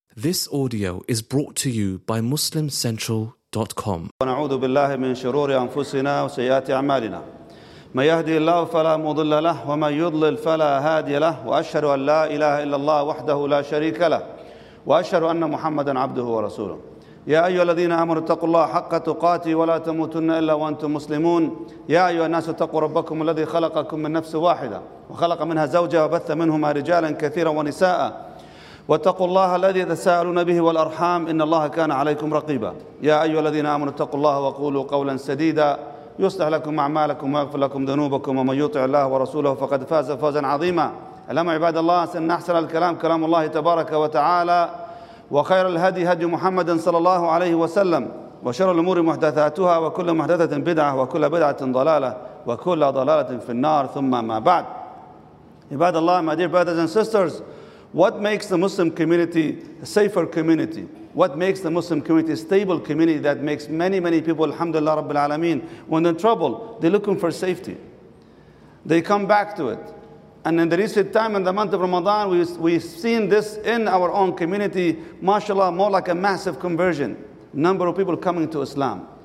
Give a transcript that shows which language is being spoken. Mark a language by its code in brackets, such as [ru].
[en] This audio is brought to you by MuslimCentral.com. [ar] ونعوذ بالله من شرور أنفسنا وسيئات أعمالنا. ما يهدي الله فلا مضل له وما يضلل فلا هادي له وأشهد أن لا إله إلا الله وحده لا شريك له وأشهد أن محمدا عبده ورسوله. يا أيها الذين آمنوا اتقوا الله حق تقاته ولا تموتن إلا وأنتم مسلمون. يا أيها الناس اتقوا ربكم الذي خلقكم من نفس واحدة وخلق منها زوجها وبث منهما رجالا كثيرا ونساء واتقوا الله الذي تساءلون به والأرحام إن الله كان عليكم رقيبا. يا أيها الذين آمنوا اتقوا الله وقولوا قولا سديدا يصلح لكم أعمالكم ويغفر لكم ذنوبكم ومن يطع الله ورسوله فقد فاز فوزا عظيما. ألم عباد الله سن أحسن الكلام كلام الله تبارك وتعالى وخير الهدي هدي محمد صلى الله عليه وسلم وشر الأمور محدثاتها وكل محدثة بدعة وكل بدعة ضلالة وكل ضلالة في النار ثم ما بعد. عباد الله, [en] my dear brothers and sisters, what makes the Muslim community a safer community? What makes the Muslim community a stable community that makes many, many people, alhamdulillah, rabbil alameen, when they're in trouble, they're looking for safety. They come back to it. And in the recent time in the month of Ramadan, we've seen this in our own community, mashallah, more like a massive conversion, number of people coming to Islam.